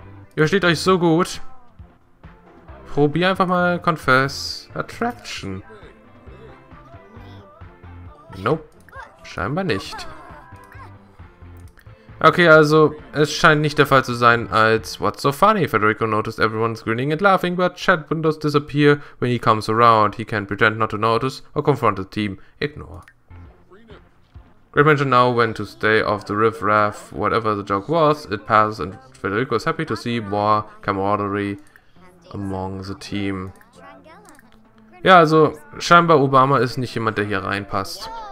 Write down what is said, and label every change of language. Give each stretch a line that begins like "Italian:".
German: Ihr versteht euch so gut. Probier einfach mal Confess Attraction. Nope. Scheinbar nicht. Okay, also, es scheint nicht der Fall zu sein, als
English: What's so funny? Federico noticed everyone's grinning and laughing, but chat windows disappear when he comes around. He can't pretend not to notice or confront the team. Ignore. Great mention now when to stay off the riff-raff, whatever the joke was, it passes and Federico is happy to see more camaraderie among the team.
German: Ja, also scheinbar Obama ist nicht jemand, der hier reinpasst.